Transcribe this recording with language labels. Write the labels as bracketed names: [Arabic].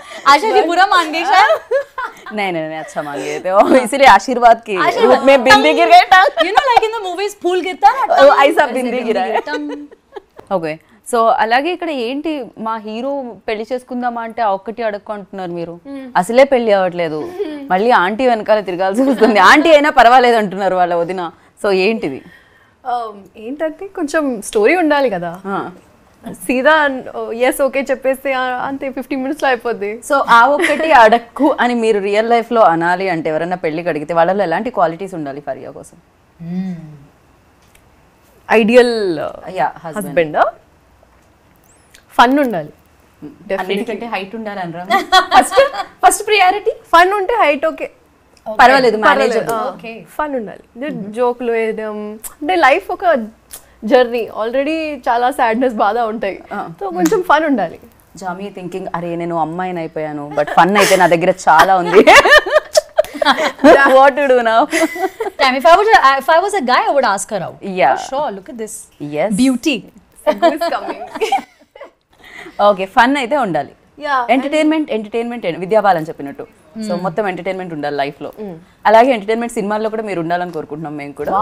[Hindi] आशा जी बुरा मान गई शायद नहीं नहीं नहीं अच्छा मान गए थे इसीलिए आशीर्वाद की मैं बिंदी गिर गए tongue [English] you know like in the movies [Hindi] फूल गिरता है ऐसा बिंदी गिरा है ओके [Telugu] సో అలాగే ఇక్కడ ఏంటి మా హీరో పెళ్లి చేసుకుందామా అంటే ఒక్కటి అడుక్కుంటున్నారు మీరు అసలే పెళ్లి అవ్వట్లేదు మళ్ళీ ఆంటీ వెనకాల తిరగాల్సి వస్తుంది ఆంటీ అయినా పర్వాలేదు అంటున్నారు వాళ్ళ వదిన సో ఏంటిది ఏంటంటే కొంచెం స్టోరీ ఉండాలి కదా సీదా ఎస్ ఓకే చెప్పేస్తే అంతే 15 మినిట్స్ లో అయిపోద్ది సో ఆ ఒక్కటి అడక్కు అని మీరు రియల్ లైఫ్ లో అనాలి అంటే ఎవరన్నా పెళ్లికి అడిగితే వాళ్ళలో ఎలాంటి క్వాలిటీస్ ఉండాలి ఫరియా కోసం [English] ideal husband fun ఉండాలి [Telugu] అన్నిటికంటే హైట్ ఉండాలి అనరా [English] first first priority fun ఉంటే height okay [Telugu] పర్వాలేదు ఓకే ఫన్ ఉండాలి జోక్లు వేయడం అంటే లైఫ్ ఒక జర్నీ ఆల్రెడీ చాలా సాడ్నెస్ బాధ ఉంటాయి సో కొంచెం ఫన్ ఉండాలి జామీ థింకింగ్ అరే నేను అమ్మాయిని అయిపోయాను బట్ ఫన్ అయితే నా దగ్గర చాలా ఉంది [English] What to do now? Damn, if I was a guy, I would ask her out. Yeah. For sure, look at this. Yes. Beauty. Who's coming? [Telugu] Okay fun అయితే ఉండాలి ఎంటర్టైన్మెంట్ ఎంటర్టైన్మెంట్ విద్యాబాలని చెప్పినట్టు so మొత్తం entertainment ఉండాలి life లో అలాగే entertainment సినిమాల్లో కూడా మీరు ఉండాలని కోరుకుంటున్నాం మేము కూడా